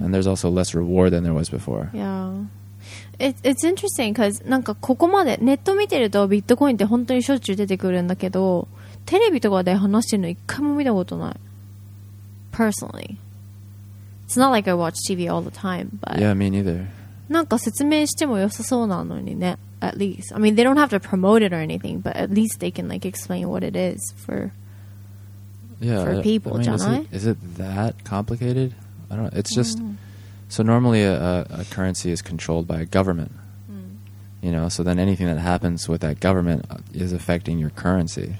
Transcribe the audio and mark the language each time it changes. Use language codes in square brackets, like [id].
[en] And there's also less reward than there was before. Yeah. It's interesting because [ja] なんかここまでネット見てるとビットコインって本当にしょっちゅう出てくるんだけど、テレビとかで話してるの一回も見たことない。 [en] Personally. It's not like I watch TV all the time, but yeah, me neither. [ja] なんか説明しても良さそうなのにね。 [en] At least, I mean, they don't have to promote it or anything, but at least they can like explain what it is for. Yeah, for people, I mean, is it that complicated? I don't know. It's just so normally a currency is controlled by a government. Mm. You know, so then anything that happens with that government is affecting your currency.